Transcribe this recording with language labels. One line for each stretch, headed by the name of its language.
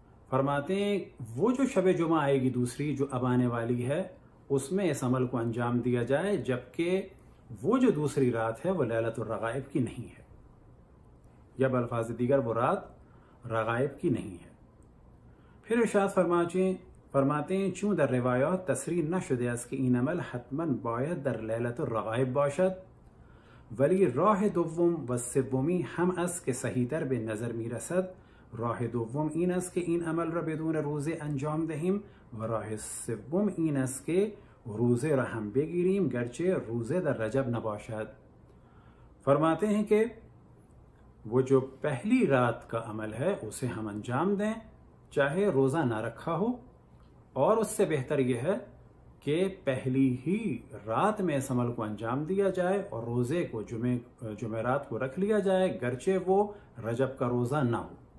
Urdu: فرماتے ہیں وہ جو شب جمعہ آئے گی دوسری جو اب آنے والی ہے اس میں اس عمل کو انجام دیا جائے جبکہ وہ جو دوسری رات ہے وہ لیلۃ الرغائب کی نہیں ہے, یا بالفاظ دیگر وہ رات رغائب کی نہیں ہے. پھر ارشاد فرماتے ہیں
Persian: چون در روایات تصریح نشده است کہ این عمل حتما باید در لیلۃ الرغائب باشد, ولی راہ دوم و سومی ہم است کہ صحیح تر به نظر می رسد. راه دوم این است که این عمل را بدون روزه انجام دهیم و راه سوم این است که روزه را هم بگیریم گرچه روزه در رجب نباشد.
Urdu: فرماتے ہیں کہ وہ جو پہلی رات کا عمل ہے اسے ہم انجام دیں چاہے روزہ نہ رکھا ہو, اور اس سے بہتر یہ ہے کہ پہلی ہی رات میں اس عمل کو انجام دیا جائے اور روزے کو جمعرات کو رکھ لیا جائے گرچہ وہ رجب کا روزہ نہ ہو.